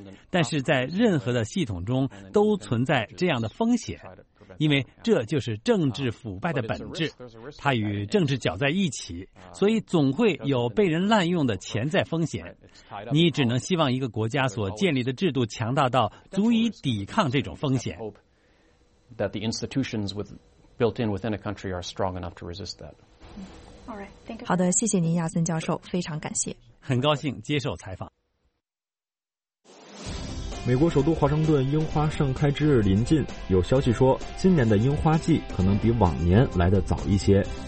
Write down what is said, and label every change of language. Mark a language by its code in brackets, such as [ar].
[zh] 但是在任何的系统中都存在这样的风险，因为这就是政治腐败的本质，它与政治搅在一起，所以总会有被人滥用的潜在风险。你只能希望一个国家所建立的制度强大到足以抵抗这种风险。 [en] That the institutions built in within a country are strong enough to resist that. All right, thank you. [zh] 好的，谢谢您，亚森教授，非常感谢。很高兴接受采访。美国首都华盛顿樱花盛开之日临近，有消息说今年的樱花季可能比往年来得早一些。